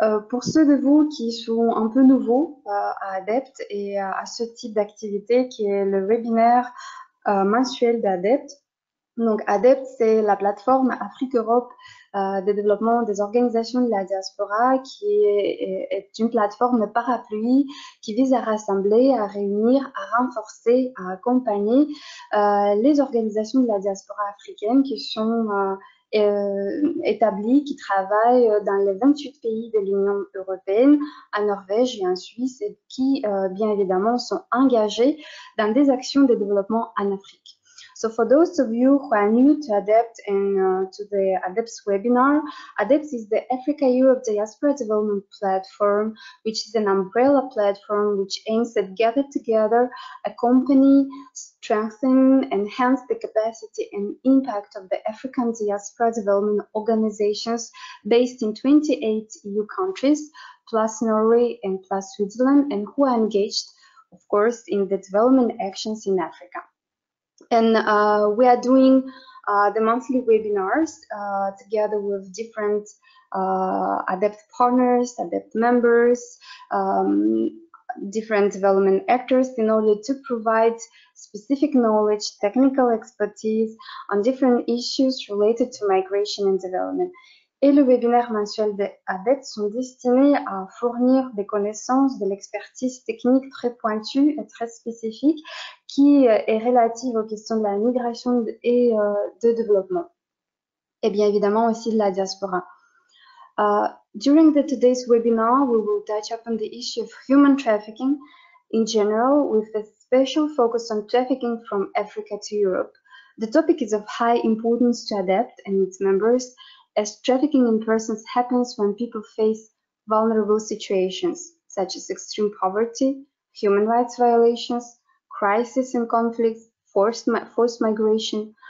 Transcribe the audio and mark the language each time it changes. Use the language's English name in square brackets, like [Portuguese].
[French] Pour ceux de vous qui sont un peu nouveaux à ADEPT et à ce type d'activité qui est le webinaire mensuel d'ADEPT, donc ADEPT, c'est la plateforme Afrique-Europe de développement des organisations de la diaspora qui est une plateforme parapluie qui vise à rassembler, à réunir, à renforcer, à accompagner les organisations de la diaspora africaine qui sont établis qui travaillent dans les 28 pays de l'Union européenne, en Norvège et en Suisse, et qui, bien évidemment, sont engagés dans des actions de développement en Afrique. [English] So for those of you who are new to ADEPT and to the ADEPT's webinar, ADEPT is the Africa-Europe Diaspora Development Platform, which is an umbrella platform which aims at gathering together, accompany, strengthen, enhance the capacity and impact of the African diaspora development organizations based in 28 EU countries, plus Norway and plus Switzerland, and who are engaged, of course, in the development actions in Africa. And we are doing the monthly webinars together with different ADEPT partners, ADEPT members, different development actors in order to provide specific knowledge, technical expertise on different issues related to migration and development. [French] Et le webinaire mensuel d'ADEPT sont destinés à fournir des connaissances, de l'expertise technique très pointue et très spécifique qui est relative aux questions de la migration et de développement. Et bien évidemment aussi de la diaspora. [English] During the today's webinar, we will touch upon the issue of human trafficking in general with a special focus on trafficking from Africa to Europe. The topic is of high importance to ADEPT and its members, as trafficking in persons happens when people face vulnerable situations, such as extreme poverty, human rights violations, crisis and conflicts, forced migration.